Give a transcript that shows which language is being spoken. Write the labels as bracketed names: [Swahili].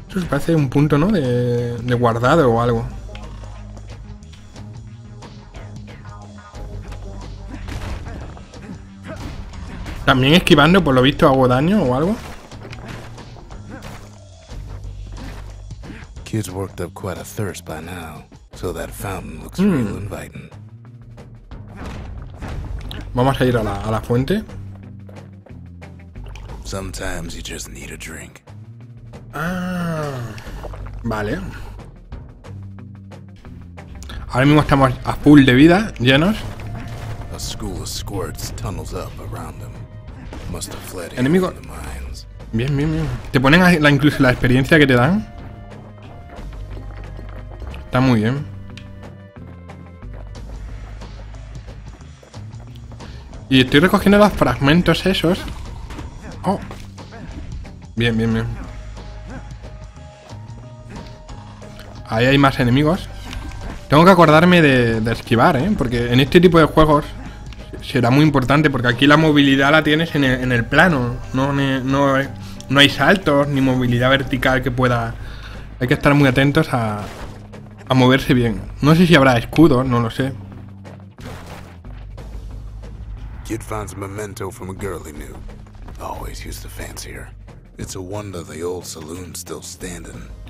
[Spanish] Parece un punto, ¿no? De guardado o algo. También esquivando, por lo visto, hago daño o algo. [English] Kids worked up quite a thirst by now, so that fountain looks real inviting. [Spanish] Vamos a ir a la fuente. [English] Sometimes you just need a drink. [Spanish] Ah, vale. Ahora mismo estamos a full de vida, llenos. [English] A school of squirts tunnels up around them. Must have fled in enemigo. The mines. [Spanish] Bien, bien, bien. Te ponen incluso la experiencia que te dan. Está muy bien. Y estoy recogiendo los fragmentos esos. Oh. Bien, bien, bien. Ahí hay más enemigos. Tengo que acordarme de esquivar, ¿eh? Porque en este tipo de juegos será muy importante. Porque aquí la movilidad la tienes en el plano. No hay saltos ni movilidad vertical que pueda. Hay que estar muy atentos a moverse bien. No sé si habrá escudo, no lo sé. [English] Kid finds a memento from a girl he knew. Always used to fancy her. It's a wonder the old saloon still standing.